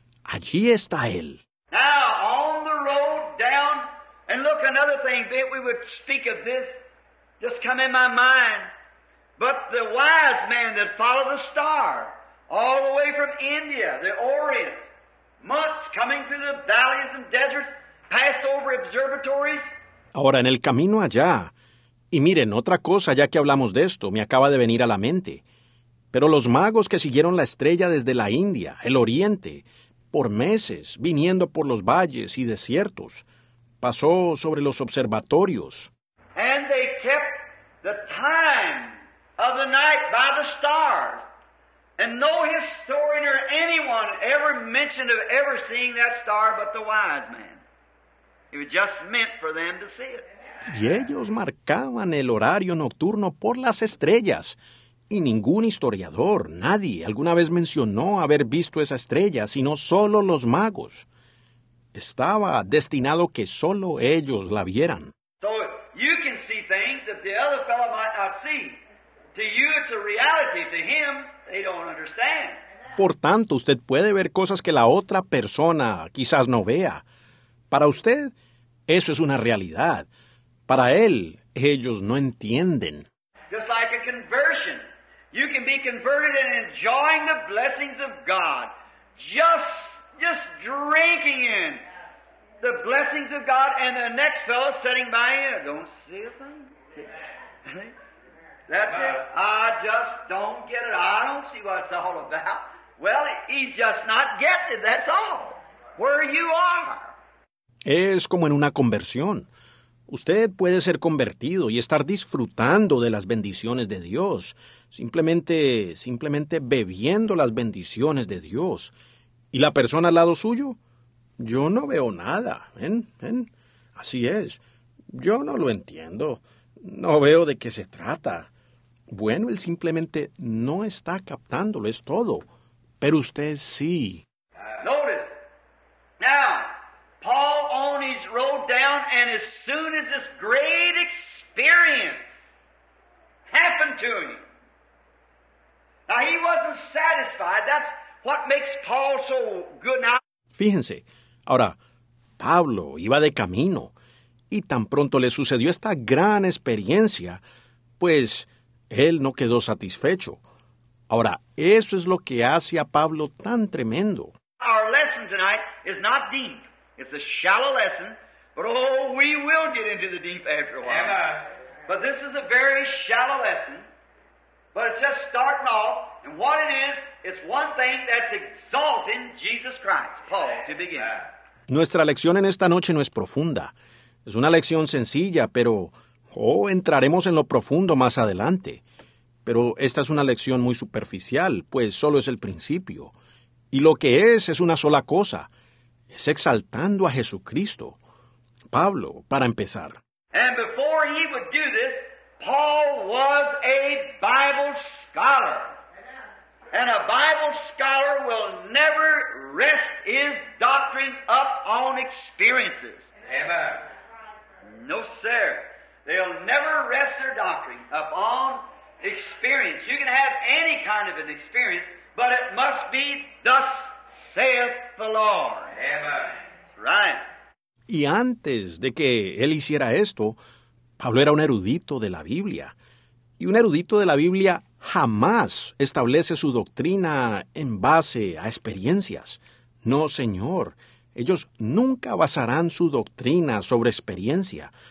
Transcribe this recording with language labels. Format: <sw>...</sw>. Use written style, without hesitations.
<es>Allí está él.</es> <en>Now, on the road down, and look, another thing, we would speak of this, just come in my mind. But the wise man that followed the star, all the way from India, the Orient, months coming through the valleys and deserts, passed over observatories.</en> <es>Ahora, en el camino allá, y miren, otra cosa ya que hablamos de esto, me acaba de venir a la mente. Pero los magos que siguieron la estrella desde la India, el Oriente, por meses, viniendo por los valles y desiertos. Pasó sobre los observatorios.</es> <en>And they kept the time of the night by the stars. And no historian or anyone ever mentioned of ever seeing that star but the wise man. It was just meant for them to see it.</en> <es>Y ellos marcaban el horario nocturno por las estrellas. Y ningún historiador, nadie, alguna vez mencionó haber visto esa estrella, sino solo los magos. Estaba destinado que solo ellos la vieran.</es> <en>So you can see things that the other fellow might not see. To you it's a reality, to him they don't understand.</en> <es>Por tanto, usted puede ver cosas que la otra persona quizás no vea. Para usted, eso es una realidad. Para él, ellos no entienden.</es> <en>Just like a conversion. You can be converted and enjoying the blessings of God. Just drinking in the blessings of God, and the next fellow sitting by you, don't see a thing. That's it. I just don't get it. I don't see what it's all about. Well, he's just not getting it. That's all. Where you are.</en> <es>Es como en una conversión. Usted puede ser convertido y estar disfrutando de las bendiciones de Dios, simplemente bebiendo las bendiciones de Dios. ¿Y la persona al lado suyo? Yo no veo nada, ¿ven? Así es. Yo no lo entiendo. No veo de qué se trata. Bueno, él simplemente no está captándolo, es todo. Pero usted sí.</es> <en>Notice. Now, Paul on his road down, and as soon as this great experience happened to him. Now, he wasn't satisfied. That's what makes Paul so good now.</en> <es>Fíjense, ahora, Pablo iba de camino, y tan pronto le sucedió esta gran experiencia, pues él no quedó satisfecho. Ahora, eso es lo que hace a Pablo tan tremendo.</es> <en>Our lesson tonight is not deep. It's a shallow lesson, but oh, we will get into the deep after a while. Yeah. But this is a very shallow lesson, but it's just starting off. And what it is, it's one thing that's exalting Jesus Christ, Paul, to begin.</en> <es>Nuestra lección en esta noche no es profunda. Es una lección sencilla, pero entraremos en lo profundo más adelante. Pero esta es una lección muy superficial, pues solo es el principio. Y lo que es una sola cosa. Es exaltando a Jesucristo. Pablo, para empezar.</es> <en>And before he would do this, Paul was a Bible scholar. And a Bible scholar will never rest his doctrine up on experiences. Never. No, sir. They'll never rest their doctrine up on experience. You can have any kind of an experience, but it must be thus saith the Lord. Right.</en> <es>Y antes de que él hiciera esto, Pablo era un erudito de la Biblia. Y un erudito de la Biblia jamás establece su doctrina en base a experiencias. No, señor. Ellos nunca basarán su doctrina sobre experiencia.</es>